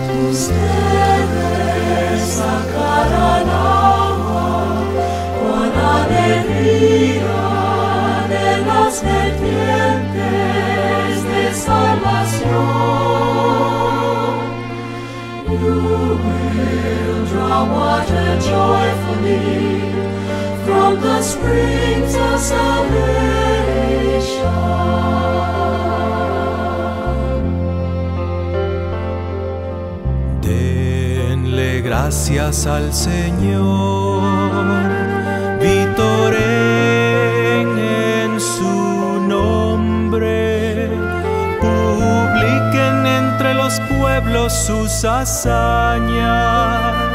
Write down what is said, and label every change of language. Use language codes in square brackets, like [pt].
[es] Ustedes sacarán agua con alegría de las vertientes de salvación. [en] You will draw water joyfully from the springs of salvation. [es] Denle gracias al Señor, vitoren en su nombre, publiquen entre los pueblos sus hazañas.